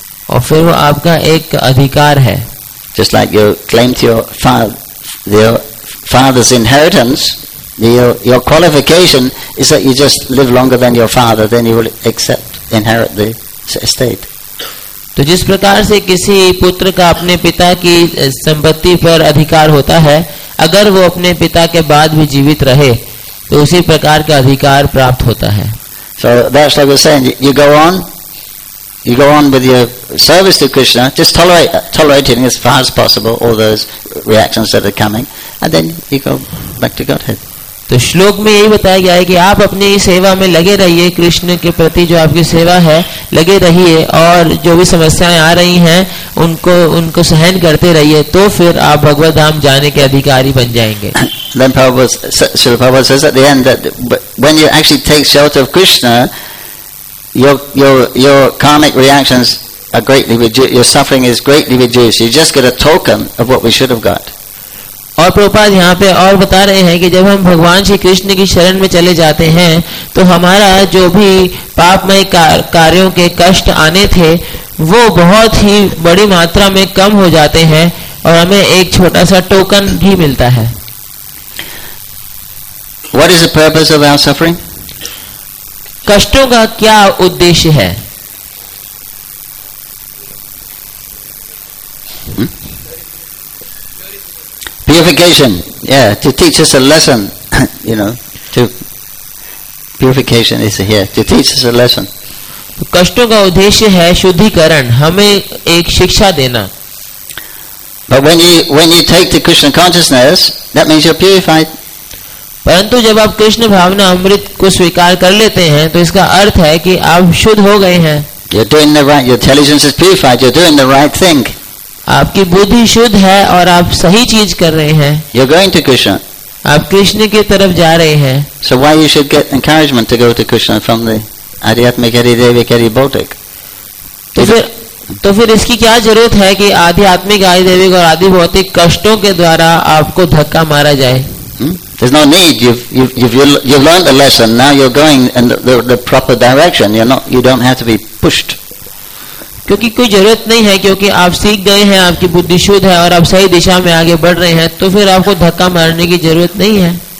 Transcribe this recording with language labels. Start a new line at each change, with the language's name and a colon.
Hindi: और फिर वो आपका एक अधिकार है।
English: Just like you claim to your father's inheritance. Your qualification is that you just live longer than your father, then you will inherit the estate.
Hindi: तो जिस प्रकार से किसी पुत्र का अपने पिता की संपत्ति पर अधिकार होता है, अगर वो अपने पिता के बाद भी जीवित रहे, तो उसी प्रकार का अधिकार प्राप्त होता है।
English: So that's like we're saying, you go on with your service to Krishna, just tolerating as far as possible all those reactions that are coming, and then you go back to Godhead.
Hindi: तो श्लोक में यही बताया गया है कि आप अपनी सेवा में लगे रहिए, कृष्ण के प्रति जो आपकी सेवा है लगे रहिए, और जो भी समस्याएं आ रही हैं उनको सहन करते रहिए, तो फिर आप भगवत धाम जाने के अधिकारी बन जाएंगे।
English: Then Srila Prabhupada says at the end that when you actually take shelter of Krishna, your karmic reactions are greatly reduced, your suffering is greatly reduced, you just get a token of what we should have got.
Hindi: और प्रभुपाद यहाँ पे और बता रहे हैं कि जब हम भगवान श्री कृष्ण की शरण में चले जाते हैं, तो हमारा जो भी पापमय कार्यों के कष्ट आने थे, वो बहुत ही बड़ी मात्रा में कम हो जाते हैं, और हमें एक छोटा सा टोकन भी मिलता है।
English: What is the purpose of our suffering?
Hindi: कष्टों का क्या उद्देश्य है?
English: Purification, yeah, to teach us a lesson, you know, to purification is here, to teach us a lesson.
Hindi: कष्टों का उद्देश्य है शुद्धिकरण, हमें एक शिक्षा देना.
English: But when you take to Krishna consciousness, that means you're purified.
Hindi: परंतु जब आप कृष्ण भावना अमृत को स्वीकार कर लेते हैं, तो इसका अर्थ है कि आप शुद्ध हो गए हैं.
English: You're doing the right, your intelligence is purified, you're doing the right thing.
Hindi: आपकी बुद्धि शुद्ध है और आप सही चीज कर रहे हैं।
English: You're going to Krishna.
Hindi: आप कृष्ण के तरफ जा रहे हैं।
English: So why you should get encouragement to go to Krishna from the Adhyatmic Hari Devi Hari Bhautik?
Hindi: तो फिर इसकी क्या जरूरत है कि आध्यात्मिक आदि देविक और आदि भौतिक कष्टों के द्वारा आपको धक्का मारा जाए?
English: There's no need. You've learned the lesson. Now you're going in the proper direction. You don't have to be pushed.
Hindi: क्योंकि कोई जरूरत नहीं है, क्योंकि आप सीख गए हैं, आपकी बुद्धि शुद्ध है और आप सही दिशा में आगे बढ़ रहे हैं, तो फिर आपको धक्का मारने की जरूरत नहीं है।